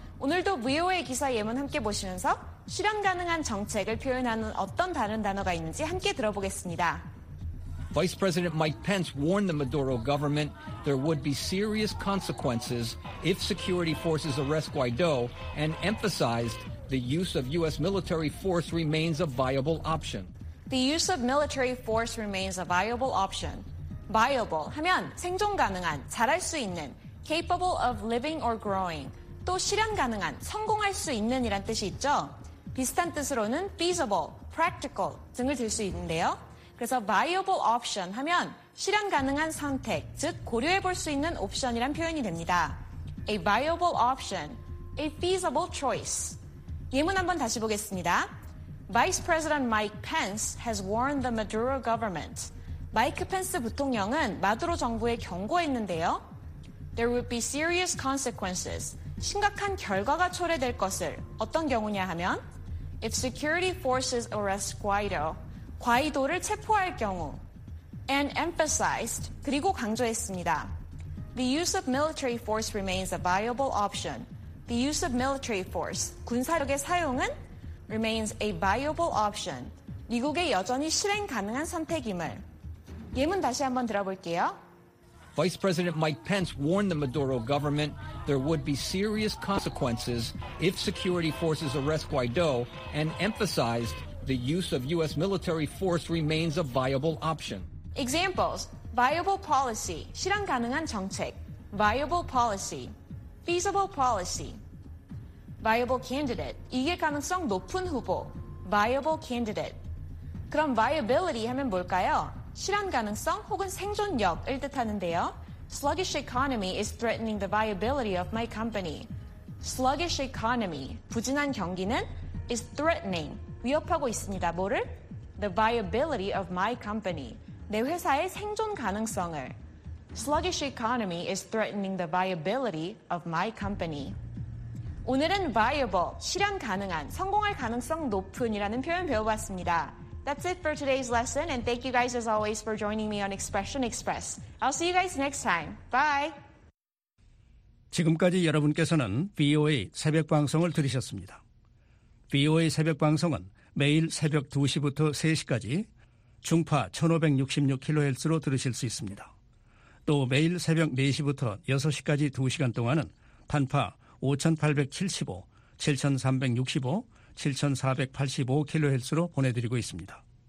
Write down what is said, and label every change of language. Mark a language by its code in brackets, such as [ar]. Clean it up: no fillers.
[ko] 오늘도 VOA 기사 예문 함께 보시면서 실현 가능한 정책을 표현하는 어떤 다른 단어가 있는지 함께 들어보겠습니다. [en] Vice President Mike Pence warned the Maduro government there would be serious consequences if security forces arrest Guaido and emphasized the use of U.S. military force remains a viable option. The use of military force remains a viable option. [ko] Viable 하면 생존 가능한, 잘할 수 있는, [en] capable of living or growing, [ko] 또 실현 가능한, 성공할 수 있는 이란 뜻이 있죠. 비슷한 뜻으로는 feasible, practical 등을 들 수 있는데요. 그래서 viable option 하면 실현 가능한 선택, 즉 고려해 볼 수 있는 옵션이란 표현이 됩니다. [en] A viable option, a feasible choice. [ko] 예문 한번 다시 보겠습니다. [en] Vice President Mike Pence has warned the Maduro government. [ko] 마이크 펜스 부통령은 마두로 정부에 경고했는데요. [en] There would be serious consequences. [ko] 심각한 결과가 초래될 것을. 어떤 경우냐 하면 [en] If security forces arrest Guaido, [ko] 과이도를 체포할 경우 [en] And emphasized, [ko] 그리고 강조했습니다. [en] The use of military force remains a viable option. The use of military force, [ko] 군사력의 사용은 [en] remains a viable option. [ko] 미국의 여전히 실행 가능한 선택임을. 예문 다시 한번 들어볼게요. [en] Vice President Mike Pence warned the Maduro government there would be serious consequences if security forces arrest Guaido and emphasized the use of U.S. military force remains a viable option. Examples, viable policy, [ko] 실현 가능한 정책, [en] viable policy, feasible policy, viable candidate, [ko] 이게 가능성 높은 후보, [en] viable candidate. [ko] 그럼 viability 하면 뭘까요? 실현 가능성 혹은 생존력을 뜻하는데요. [en] Sluggish economy is threatening the viability of my company. Sluggish economy, [ko] 부진한 경기는 [en] is threatening, [ko] 위협하고 있습니다. 뭐를? [en] The viability of my company, [ko] 내 회사의 생존 가능성을. [en] Sluggish economy is threatening the viability of my company. [ko] 오늘은 viable, 실현 가능한, 성공할 가능성 높은이라는 표현 배워봤습니다. [en] That's it for today's lesson, and thank you guys as always for joining me on Expression Express. I'll see you guys next time. Bye! [ko] 지금까지 여러분께서는 VOA 새벽 방송을 들으셨습니다. VOA 새벽 방송은 매일 새벽 2시부터 3시까지 중파 1566kHz로 들으실 수 있습니다. 또 매일 새벽 4시부터 6시까지 2시간 동안은 단파 5875, 7365, 7485kHz로 보내드리고 있습니다.